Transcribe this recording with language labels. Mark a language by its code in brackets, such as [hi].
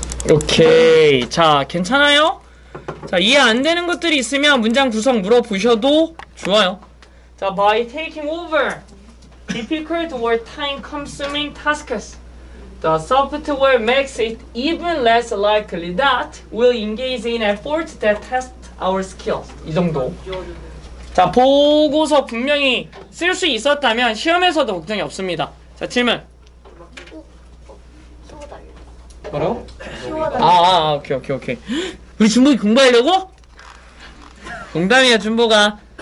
[ko] 오케이. 자, 괜찮아요? 자, 이해 안 되는 것들이 있으면 문장 구성 물어보셔도 좋아요. [en] 자, by taking over difficult or time consuming tasks, the software makes it even less likely that we'll engage in efforts that test our skills. [ko] 이 정도. 자, 보고서 분명히 쓸 수 있었다면 시험에서도 걱정이 없습니다. 자, 질문. 바로? 아, 오케이. 우리 준복이 공부하려고? 농담이야, 준복아.